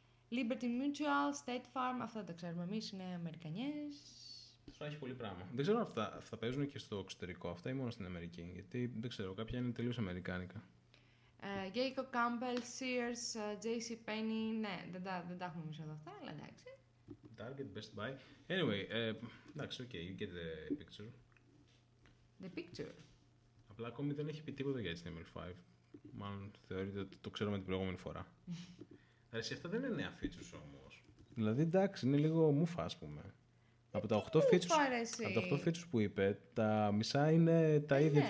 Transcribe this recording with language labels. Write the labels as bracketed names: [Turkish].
[Greek] Liberty Mutual, State Farm, αυτά τα ξέρουμε εμείς, είναι Αμερικανιές. Έχει πολύ πράγμα. Δεν ξέρω αν θα παίζουν και στο εξωτερικό αυτά ή μόνο στην Αμερική. Γιατί δεν ξέρω, κάποια είναι τελείως αμερικάνικα. [English] Jacob Campbell, Sears, JCPenney. [Greek] Ναι, δεν τα έχουμε εμείς εδώ αυτά, αλλά εντάξει. [English] Target, Best Buy. Anyway, [Greek] εντάξει, [English] okay, you get the picture. The picture. [Greek] Απλά ακόμη δεν έχει πει τίποτα για HTML5. Μάλλον θεωρείται ότι το ξέρουμε την προηγούμενη φορά. Εσύ, αυτά δεν είναι νέα features όμως. Δηλαδή, εντάξει, είναι λίγο μουφα, ας πούμε. Από τα 8 features που είπε, τα μισά είναι τα ίδια